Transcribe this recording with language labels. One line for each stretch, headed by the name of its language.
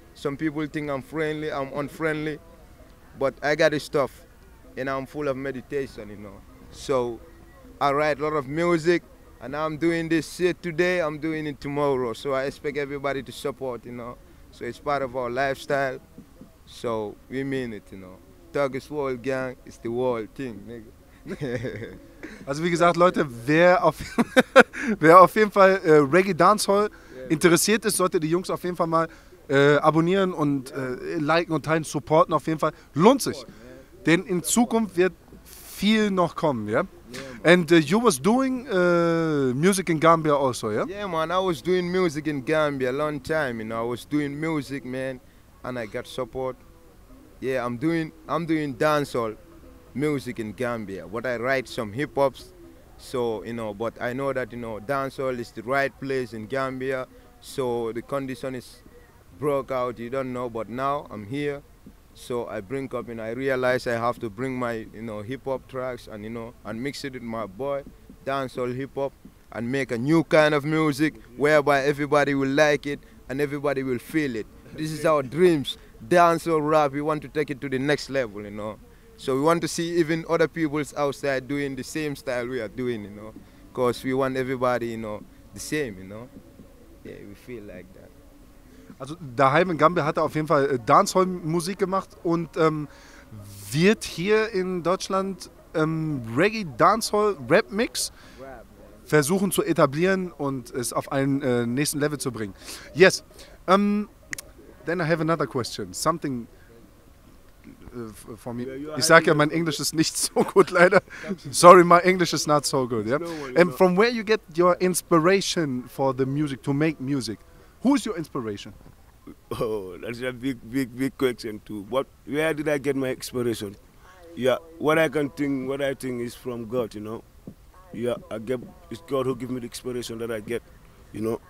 English: Some people think I'm friendly, I'm unfriendly, but I got this stuff, and I'm full of meditation, you know. So I write a lot of music, and I'm doing this shit today, I'm doing it tomorrow. So I expect everybody to support, you know. So it's part of our lifestyle, so we mean it, you know. Thuggish World Gang is the world thing, nigga.
German: Also wie gesagt, Leute, wer auf jeden Fall Reggae Dancehall interessiert ist, sollte die Jungs auf jeden Fall mal abonnieren und liken und teilen, supporten auf jeden Fall. Lohnt sich, denn in Zukunft wird viel noch kommen, ja?
English: And you was doing music in Gambia also, yeah? Yeah, man, I was doing music in Gambia a long time, you know. I was doing music, man, and I got support. Yeah, I'm doing dancehall music in Gambia, but I write some hip-hops, so, you know, but I know that, you know, dancehall is the right place in Gambia, so the condition is broke out, you don't know, but now I'm here, so I bring up, you know, I realize I have to bring my, you know, hip-hop tracks and, you know, and mix it with my boy, dancehall hip-hop, and make a new kind of music whereby everybody will like it and everybody will feel it. This is our dreams, dancehall rap. We want to take it to the next level, you know. So we want to see even other people outside doing the same style we are doing, you know, because we want everybody, you know, the same, you know. Yeah, we feel like that.
German: Also daheim in Gambia hat er auf jeden Fall Dancehall-Musik gemacht und wird hier in Deutschland Reggae, Dancehall, Rap-Mix versuchen zu etablieren und es auf einen nächsten Level zu bringen.
English: Yes, then I have another question. Something for me.
German: Ich sage ja, mein Englisch ist nicht so gut, leider.
English: Sorry, my English is not so good. Yeah? And from where you get your inspiration for the music, to make music? Who is your inspiration? Oh, that's a big, big, big question too. What? Where did I get my inspiration? Yeah, what I think is from God, you know. Yeah, it's God who give me the inspiration that I get, you know.